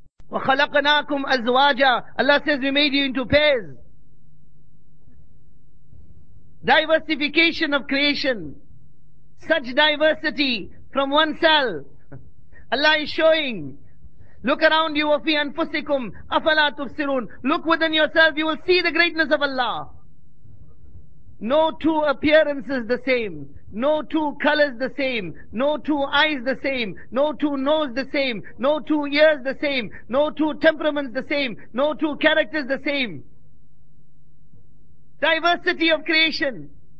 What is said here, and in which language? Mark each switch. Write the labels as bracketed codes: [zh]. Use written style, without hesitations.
[ar] وَخَلَقْنَاكُمْ أَزْوَاجًا. [en] Allah says, we made you into pairs. Diversification of creation. Such diversity from one cell. Allah is showing. Look around you, [ar] وَفِي أَنفُسِكُمْ أَفَلَا تُبْصِرُونَ. [en] Look within yourself, you will see the greatness of Allah. No two appearances the same. No two colors the same. No two eyes the same. No two nose the same. No two ears the same. No two temperaments the same. No two characters the same. Diversity of creation.